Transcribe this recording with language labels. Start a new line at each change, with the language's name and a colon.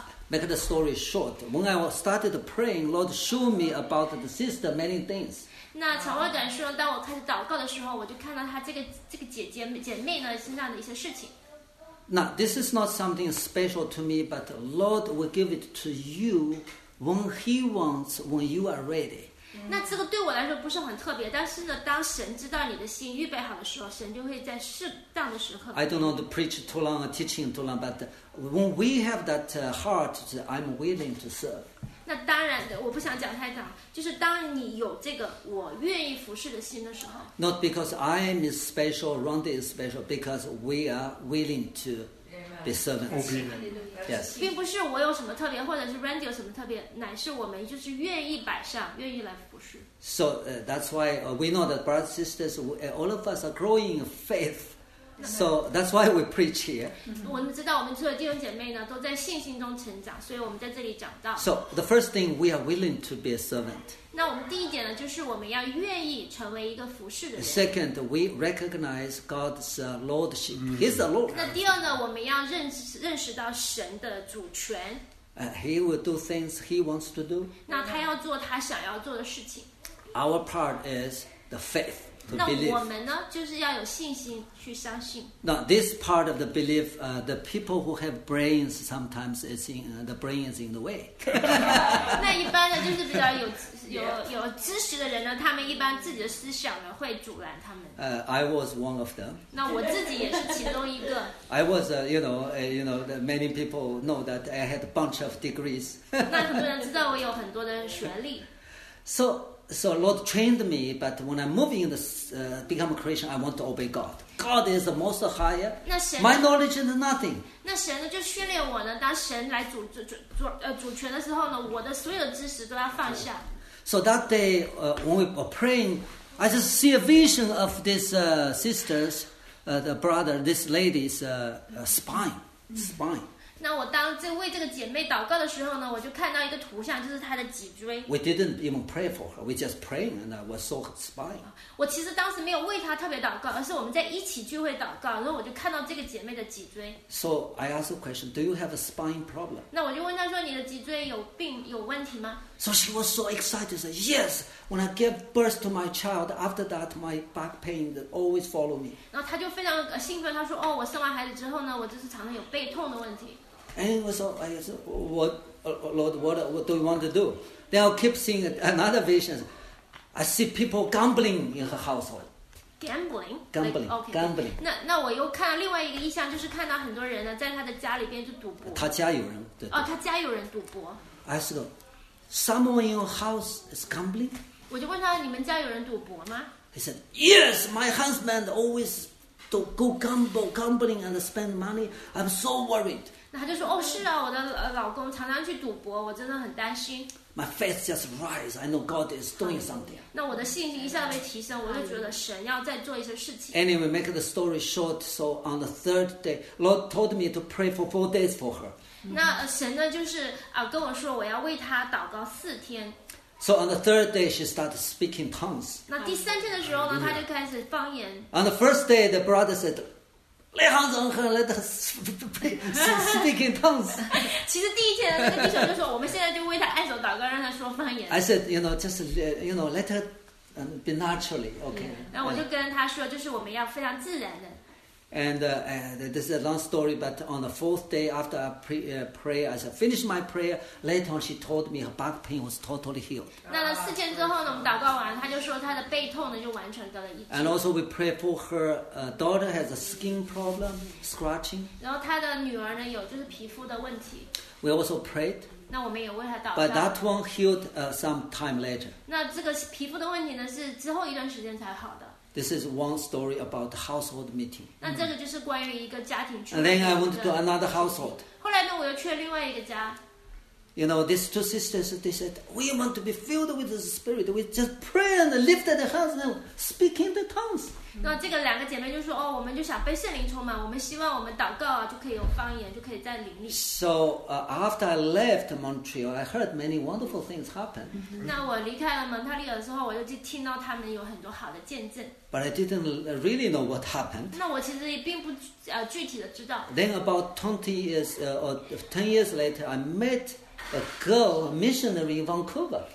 English: Make the story short. When I started praying, Lord showed me about the sister many things.
Chinese: 那长话短说，当我开始祷告的时候，我就看到她这个姐妹呢身上的一些事情。
English: Now, this is not something special to me, but the Lord will give it to you when He wants, when you are ready.
Chinese: 那这个对我来说不是很特别，但是呢，当神知道你的心预备好的时候，神就会在适当的时候。
English: I don't know to preach too long, teaching too long, but when we have that heart, I'm willing to serve.
Chinese: 那当然，我不想讲太长，就是当你有这个我愿意服侍的心的时候。
English: Not because I am special, Rhonda is special, because we are willing to be servants. Yes.
Chinese: 并不是我有什么特别，或者是 Randy 有什么特别，乃是我们就是愿意摆上，愿意来服侍。
English: So that's why we know that brothers and sisters, all of us are growing in faith. So that's why we preach here.
Chinese: 我们知道我们所有弟兄姐妹呢都在信心中成长，所以我们在这里讲到。
English: So the first thing, we are willing to be a servant.
Chinese: 那我们第一点呢，就是我们要愿意成为一个服侍的人。
English: Second, we recognize God's lordship. He's the Lord.
Chinese: 那第二呢，我们要认识到神的主权。
English: He will do things He wants to do.
Chinese: 那他要做他想要做的事情。
English: Our part is the faith.
Chinese: 那我们呢，就是要有信心去相信。
English: Now this part of the belief, the people who have brains sometimes is in the brain is in the way.
Chinese: 那一般的就是比较有知识的人呢，他们一般自己的思想呢会阻拦他们。
English: I was one of them.
Chinese: 那我自己也是其中一个。
English: I was, you know, many people know that I had a bunch of degrees.
Chinese: 那很多人知道我有很多的学历。
English: So Lord trained me, but when I'm moving in this, become a Christian, I want to obey God. God is the most higher. My knowledge is nothing.
Chinese: 那神呢就训练我呢，当神来主权的时候呢，我的所有知识都要放下。
English: So that day, when we were praying, I just see a vision of this sisters, the brother, this lady's spine.
Chinese: 那我当这为这个姐妹祷告的时候呢，我就看到一个图像，就是她的脊椎。
English: We didn't even pray for her. We just praying, and I saw her spine.
Chinese: 我其实当时没有为她特别祷告，而是我们在一起聚会祷告，然后我就看到这个姐妹的脊椎。
English: So I asked a question: Do you have a spine problem?
Chinese: 那我就问她说：“你的脊椎有问题吗？”
English: So she was so excited. Said, "Yes. When I give birth to my child, after that, my back pain always follow me."
Chinese: 然后她就非常兴奋，她说：“哦，我生完孩子之后呢，我就是常常有背痛的问题。”
English: And he was all, I said, what, Lord, what do you want to do? Then I'll keep seeing another vision. I see people gambling in her household. Gambling? Gambling, like,、okay. gambling.
Chinese: 那我又看到另外一个意象，就是看到很多人呢在他的家里边就赌博。他家有人对。哦，他家有人赌博。
English: I said, someone in your house is gambling?
Chinese: 我就问他，你们家有人赌博吗？
English: He said, yes, my husband always go gambling and spend money. I'm so worried.
Chinese: 那他就说，哦，是啊，我的老公常常去赌博，我真的很担心。
English: My faith just rise. I know God is doing something.
Chinese: 那我的信心一下被提升，我就觉得神要再做一些事情。
English: Anyway, make the story short. So on the third day, Lord told me to pray for 4 days for her.
Chinese: 那神呢，就是啊，跟我说我要为她祷告四天。
English: So on the third day, she started speaking tongues.
Chinese: 那第三天的时候呢，她就开始方言。
English: On the first day, the brother said. Lay hands on her, let her speak in tongues.
Chinese: 其实第一天那个弟兄就说，我们现在就为她按手祷告，让她说方言。
English: I said, you know, just you know, let her be naturally, okay.
Chinese: 那我就跟他说，就是我们要非常自然的。
English: And this is a long story, but on the fourth day after I pray, as I finished my prayer, later on she told me her back pain was totally healed.
Chinese: 那了四天之后呢，我们祷告完，她就说她的背痛呢就完全得了医治。
English: And also we pray for her daughter has a skin problem, scratching.
Chinese: 然后她的女儿呢有就是皮肤的问题。
English: We also prayed.
Chinese: 那我们也为她祷告。
English: But that one healed some time later.
Chinese: 那这个皮肤的问题呢是之后一段时间才好的。
English: This is one story about the household meeting.
Chinese: 那这个就是关于一个家庭聚会。
English: And then I went to another household.
Chinese: 后来呢，我又去了另外一个家。
English: You know, these two sisters, they said, we want to be filled with the Spirit. We just pray and lift the hands and speak in the tongues.
Chinese: 那这个两个姐妹就说，哦，我们就想被圣灵充满，我们希望我们祷告啊，就可以有方言，就可以在灵里。
English: So, after I left Montreal, I heard many wonderful things happen.
Chinese: 那我离开了蒙特利尔之后，我就去听到他们有很多好的见证。
English: But I didn't really know what happened.
Chinese: 那我其实也并不具体的知道。
English: Then about 20 years, or 10 years later, I met a girl, a missionary in Vancouver.